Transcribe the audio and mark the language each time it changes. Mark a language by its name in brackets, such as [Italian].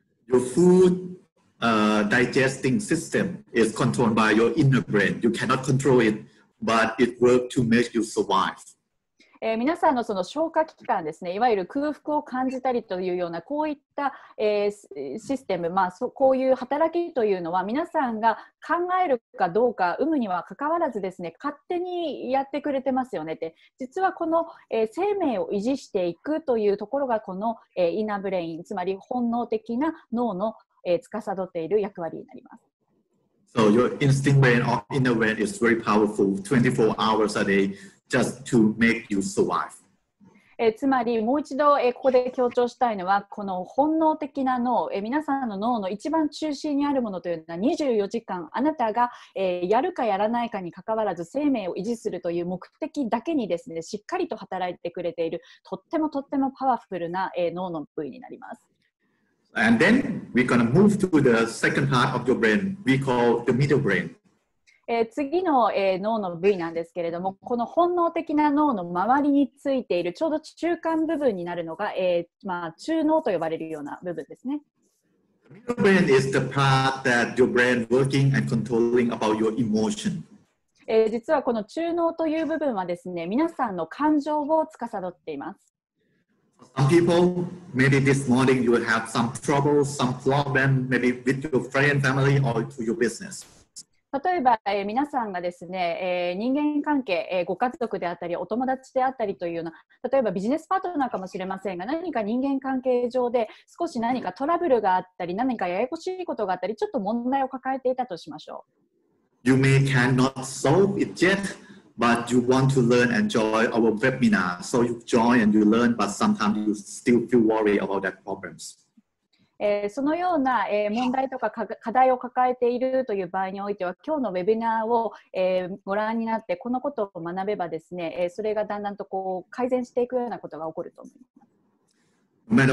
[English] Your foodDigesting system is controlled by your inner brain. You cannot control it, but it works to make you survive. [Japanese] 皆さんのその消化器官ですね、いわゆる空腹を感じたりというようなこういった、システム、まあこういう働きというのは皆さんが考えるかどうか有無には関わらずですね、勝手にやってくれてますよねって。実はこの、生命を維持していくというところがこの、inner brain、つまり本能的な脳の司っている役割になります。 [English] So your instinct brain or inner brain is very powerful 24 hours a day just to make you survive. [Japanese] つまりもう一度ここで強調したいのはこの本能的な脳、皆さんの脳の一番中心にあるものというのは24時間あなたがやるかやらないかに関わらず生命を維持するという目的だけにですねしっかりと働いてくれているとってもとってもパワフルな脳の部位になります。 [English] And then we're going to move to the second part of your brain. We call the middle brain. [Japanese] 次の脳の部位なんですけれども、この本能的な脳の周りについているちょうど中間部分になるのが、まあ中脳と呼ばれるような部分ですね。 [English] The middle brain is the part that your brain working and controlling about your emotion. [Japanese] 実はこの中脳という部分はですね、皆さんの感情を司っています。 [English] Some people, maybe this morning you will have some trouble, some problem, maybe with your friend, family, or to your business. [Japanese] 例えば、皆さんがですね、人間関係、ご家族であったり、お友達であったりというような、例えばビジネスパートナーかもしれませんが、何か人間関係上で少し何かトラブルがあったり、何かややこしいことがあったり、ちょっと問題を抱えていたとしましょう。 [English] You may cannot solve it yet. But you want to learn and enjoy our webinar. So you join and you learn, but sometimes you still feel worried about that problems. [Japanese] そのような問題とか課題を抱えているという場合においては、今日のウェビナーをご覧になって、このことを学べばですね、それがだんだんとこう改善していくようなことが起こると思います。